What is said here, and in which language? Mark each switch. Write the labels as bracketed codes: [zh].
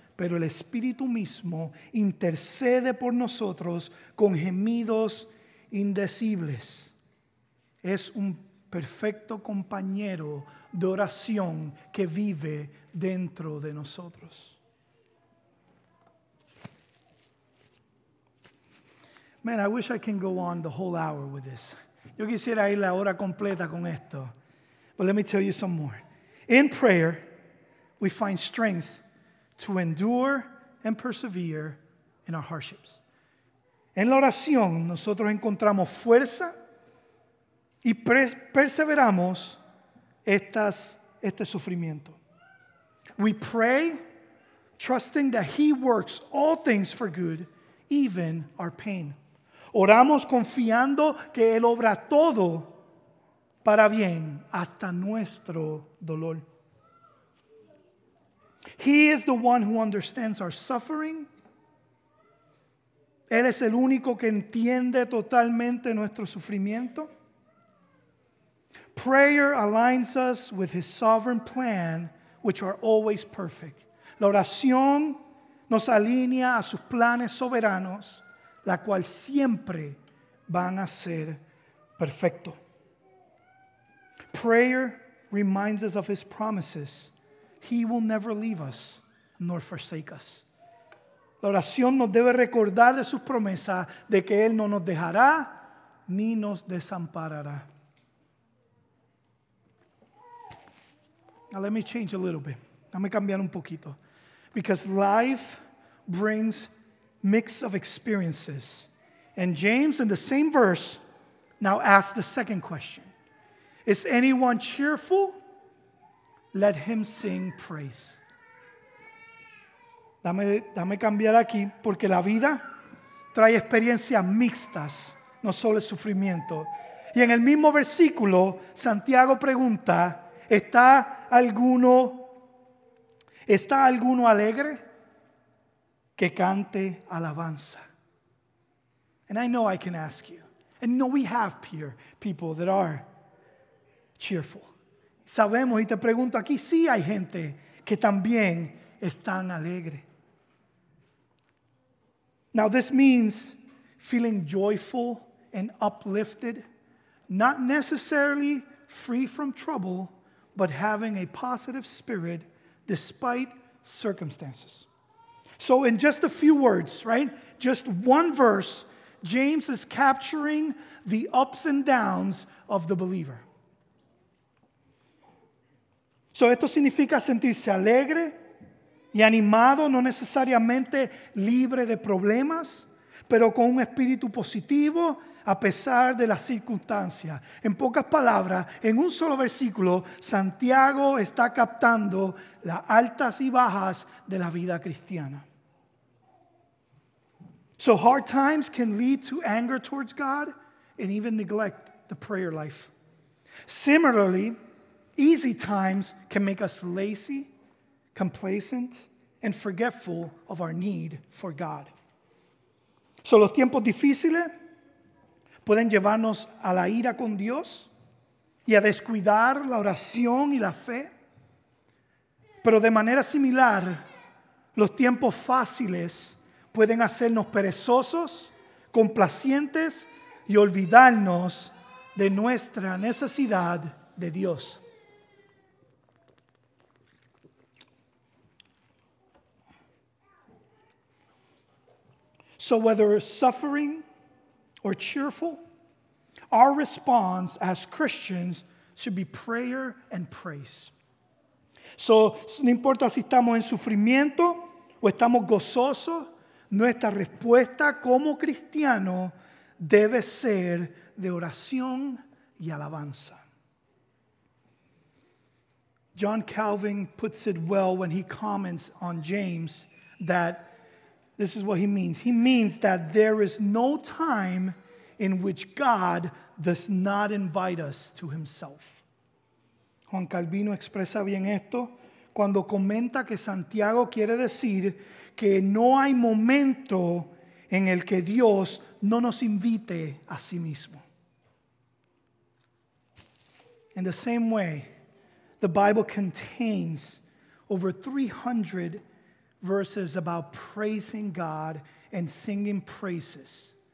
[es] Pero el Espíritu mismo intercede por nosotros con gemidos indecibles. Es un perfecto compañero de oración que vive dentro de nosotros. [en] Man, I wish I can go on the whole hour with this. [es] Yo quisiera ir la hora completa con esto. [en] But let me tell you some more. In prayer, we find strength to endure and persevere in our hardships. [es] En la oración, nosotros encontramos fuerza y perseveramos este sufrimiento. [en] We pray, trusting that He works all things for good, even our pain. [es] Oramos confiando que Él obra todo para bien, hasta nuestro dolor. [en] He is the one who understands our suffering. [es] Él es el único que entiende totalmente nuestro sufrimiento. [en] Prayer aligns us with His sovereign plan, which are always perfect. [es] La oración nos alinea a sus planes soberanos, la cual siempre van a ser perfecto. [en] Prayer reminds us of His promises. He will never leave us nor forsake us. [es] La oración nos debe recordar de sus promesas de que Él no nos dejará ni nos desamparará. [en] Now let me change a little bit. [es] Dame cambiar un poquito. [en] Because life brings mix of experiences. And James, in the same verse, now asks the second question. Is anyone cheerful? Let him sing praise. [es] Dame cambiar aquí, porque la vida trae experiencias mixtas, no solo el sufrimiento. Y en el mismo versículo, Santiago pregunta, ¿está alguno alegre? Que cante alabanza. [en] And I know I can ask you. And know we have people that are cheerful. [es] Sabemos, y te pregunto aquí, sí hay gente que también están alegre. [en] Now this means feeling joyful and uplifted, not necessarily free from trouble, but having a positive spirit despite circumstances. So in just a few words, right? Just one verse, James is capturing the ups and downs of the believer. [es] So esto significa sentirse alegre y animado, no necesariamente libre de problemas, pero con un espíritu positivo a pesar de las circunstancias. En pocas palabras, en un solo versículo, Santiago está captando las altas y bajas de la vida cristiana. [en] So hard times can lead to anger towards God and even neglect the prayer life. Similarly, easy times can make us lazy, complacent, and forgetful of our need for God. [es] So los tiempos difíciles pueden llevarnos a la ira con Dios y a descuidar la oración y la fe. Pero de manera similar, los tiempos fáciles pueden hacernos perezosos, complacientes y olvidarnos de nuestra necesidad de Dios. [en] So whether suffering or cheerful, our response as Christians should be prayer and praise. [es] So no importa si estamos en sufrimiento o estamos gozosos, nuestra respuesta como cristiano debe ser de oración y alabanza. [en] John Calvin puts it well when he comments on James that this is what he means. He means that there is no time in which God does not invite us to himself. [es] Juan Calvino expresa bien esto cuando comenta que Santiago quiere decir que no hay momento en el que Dios no nos invite a sí mismo. [en] In the same way, the Bible contains over 300 verses about praising God and singing praises.